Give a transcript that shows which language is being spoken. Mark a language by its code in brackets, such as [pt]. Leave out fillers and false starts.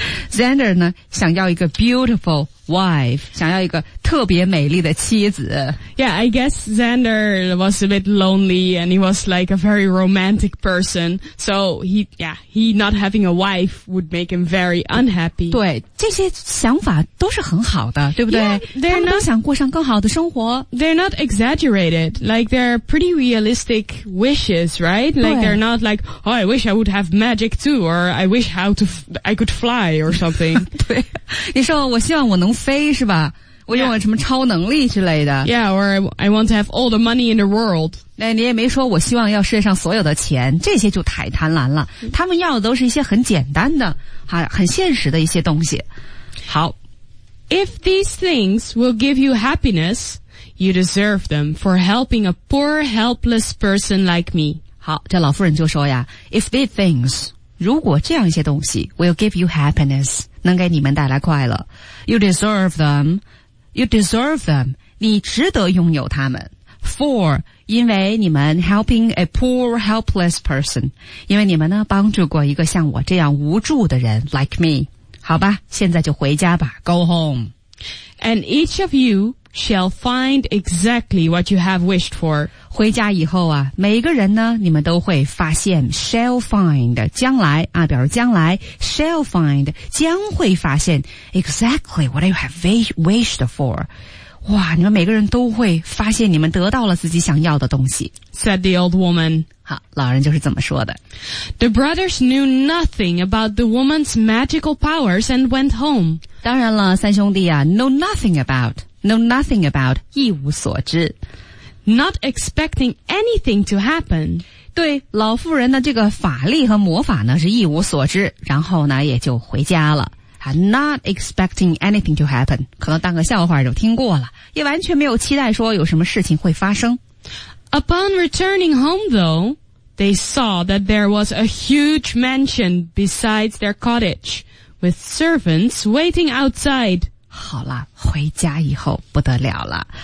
[zh] Xander 呢想要一个 [en] beautiful wife, [zh] 想要一个特别美丽的妻子。 [en] Yeah, I guess Xander was a bit lonely and he was like a very romantic person. So he not having a wife would make him very unhappy. [zh] 对，这些想法都是很好的，对不对？ [en] Yeah, [zh] 他们都想过上更好的生活。 [en] They're not exaggerated. Like they're pretty realistic wishes, right? Like they're not like, oh, I wish I would have magic too, or I wish how to, I could fly or something. [zh] 对，你说我希望我能飞是吧？我用了什么超能力之类的 [en] ？Yeah, or I want to have all the money in the world. [zh] 那你也没说我希望要世界上所有的钱，这些就太贪婪了。他们要的都是一些很简单的，哈，很现实的一些东西。好 [en] ，If these things will give you happiness, you deserve them for helping a poor, helpless person like me. [zh] 好，这老妇人就说呀 ， [en] If these things， [zh] 如果这样一些东西 [en] will give you happiness， [zh] 能给你们带来快乐 ， [en] you deserve them。 You deserve them. [zh] 你值得拥有他们。 [en] For, [zh] 因为你们 [en] helping a poor, helpless person. [zh] 因为你们呢帮助过一个像我这样无助的人 [en] like me. [zh] 好吧，现在就回家吧。 [en] Go home. And each of you shall find exactly what you have wished for. [zh] 回家以后啊，每个人呢，你们都会发现 [en] shall find, [zh] 将来啊，表示将来 shall find, 将会发现 [en] exactly what you have wished for. [zh] 哇，你们每个人都会发现你们得到了自己想要的东西。 [en] Said the old woman. [zh] 好，老人就是这么说的。 [en] The brothers knew nothing about the woman's magical powers and went home. [zh] 当然了，三兄弟啊 [en] know nothing about, [zh] 一无所知。 [en] Not expecting anything to happen. [zh] 对，老妇人的这个法力和魔法呢是一无所知，然后呢也就回家了。 [en] Not expecting anything to happen. [zh] 可能当个笑话就听过了，也完全没有期待说有什么事情会发生。 [en] Upon returning home though, they saw that there was a huge mansion besides their cottage, with servants waiting outside. [zh] 好了，回家以后不得了了。